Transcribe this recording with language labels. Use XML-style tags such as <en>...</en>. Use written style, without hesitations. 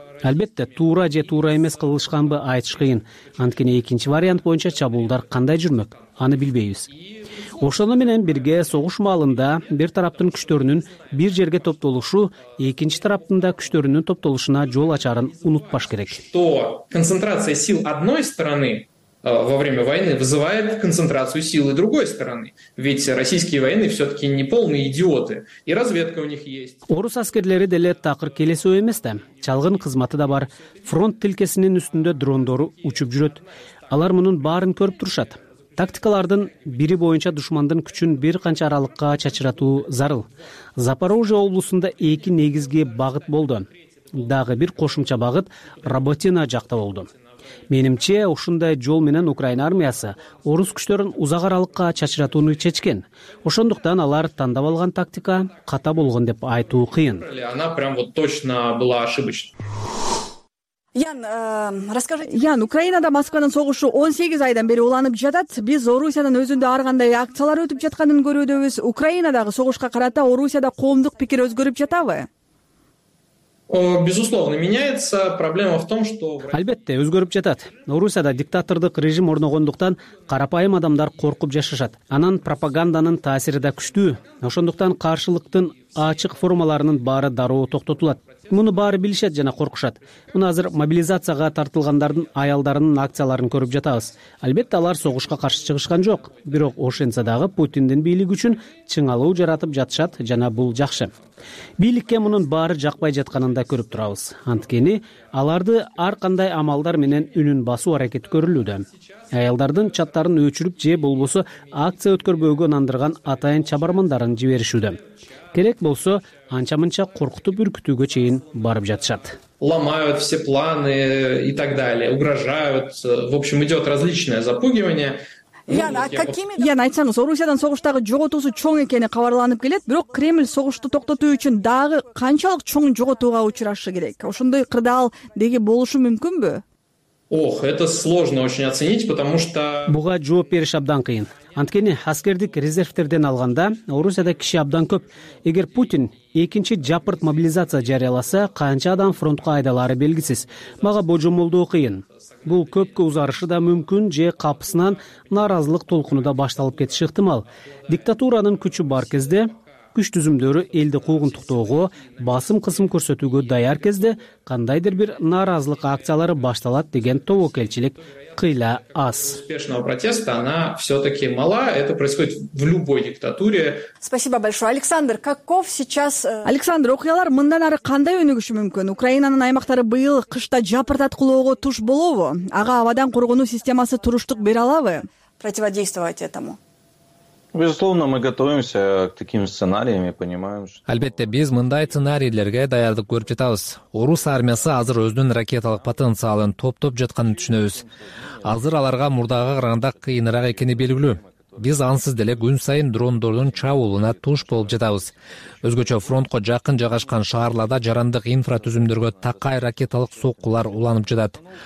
<ky>Албетте, туура же туура эмес кылышканбы айтыш кыйын. Анткени экинчи вариант боюнча чабуулдар кандай жүрмөк, аны билбейбиз. Ошону менен бирге согуш маалында бир тараптын күчтөрүнүн бир жерге топтолушу экинчи тараптын да күчтөрүнүн топтолушуна жол ачарын унутпаш керек.</ky> <ru>То концентрация сил одной стороны во время войны вызывает концентрацию силы другой стороны. Ведь российские военные все-таки не полные идиоты. И разведка у них есть.</ru> <ky>Орус аскерлери деле такыр келесөө эмес да. Чалгын кызматы да бар. Фронт тилкесинин үстүндө дрондору учуп жүрөт. Алар мунун баарын көрүп турушат. Тактикалардын бири боюнча душмандын күчүн бир канча аралыкка чачыратуу зарыл. Запорожье облусунда 2 негизги багыт болду. Дагы бир кошумча багыт Работина жакта болду. Менимче, ушундай жол менен Украина армиясы орус күчтөрүн узак аралыкка чачыратууну чечкен. Ошондуктан алар тандап алган тактика ката болгон деп айтуу кыйын.</ky> <ru>Она прям вот точно была ошибочна.</ru> <ky>Ян, Украинада Москванын согушу 18 айдан бери уланып жатат. Биз Орусиянын өзүндө ар кандай акциялар өтүп жатканын көрүүдөбүз. Украинадагы согушка карата Орусияда коомдук пикир өзгөрүп жатабы?</ky> <ru>Безусловно, меняется. Проблема в том, что...</ru> <ky>Албетте, өзгөрүп жатат. Орусияда диктатордук режим орногондуктан карапайым адамдар коркуп жашашат. Анан пропагандынын таасири да күчтүү. Ошондуктан каршылыктын ачык формаларынын баары дароо токтотулат. Муну баары билишет жана коркушат. Муну азыр мобилизацияга тартылгандардын аялдарынын акцияларын көрүп жатабыз. Албетте, алар согушка каршы чыгышкан жок. Бирок ошентсе дагы Путиндин бийлиги үчүн чыңалуу жаратып жатышат жана бул жакшы. Бийликке мунун баары жакпай жатканын да көрүп турабыз. Анткени аларды ар кандай амалдар менен үнүн басуу аракети көрүлүүдө. Аялдардын чаттарын өчүрүп же болбосо акция өткөрбөөгө нандырган атайын чабармандарын жиберишүүдө. Керек болсо анча мынча коркутуп үркүтүүгө чейин барып жатышат.</ky> <ru>Ломают все планы и так далее, угрожают. В общем, идет различное запугивание.</ru> <ky>Ян, айтсаңыз, Орусиядан согуштагы жоготуусу чоң экени кабарланып келет, бирок Кремль согушту токтотуу үчүн дагы канчалык чоң жоготууга учурашы керек? Ошондой кырдаал деги болушу мүмкүнбү?</ky> <ru>Ох, это сложно очень оценить, потому что...</ru> <ky>Буга жооп бериш абдан кыйын. Анткени аскердик резервтерден алганда Орусияда киши абдан көп. Эгер Путин экинчи жапырт мобилизация жарыяласа, канча адам фронтко айдалары белгисиз. Мага божомолдоо кыйын. Бул көпкө узарышы да мүмкүн же капысынан нааразылык толкуну да башталып кетиши ыктымал. Диктатуранын күчү бар кезде, күч түзүмдөрү элди куугунтуктоого, басым кысым көрсөтүүгө даяр кезде кандайдыр бир нааразылык акциялары башталат деген тобокелчилик кыйла аз.</ky> <ru>Успешного протеста она все-таки мала. Это происходит в любой диктатуре. Спасибо большое. Александр, каков сейчас...</ru> <ky>Александр, окуялар мындан ары кандай өнүгүшү мүмкүн? Украинанын аймактары быйыл кышта жапырт аткылоого туш болобу? Ага абадан коргонуу системасы туруштук бере алабы?</ky> <ru>Противодействовать этому. Безусловно, мы готовимся к таким сценариям и понимаем, что...</ru> <ky>Албетте, биз мындай сценарийлерге даярдык көрүп жатабыз. Орус армиясы азыр өзүнүн ракеталык потенциалын топтоп жатканын түшүнөбүз. Азыр аларга мурдагы караганда кыйыныраак экени белгилүү. Биз ансыз деле күн сайын дрондордун чабуулуна туш болуп жатабыз. Өзгөчө фронтко жакын жайгашкан шаарларда жарандык инфратүзүмдөргө такай ракеталык соккулар уланып жатат.</ky>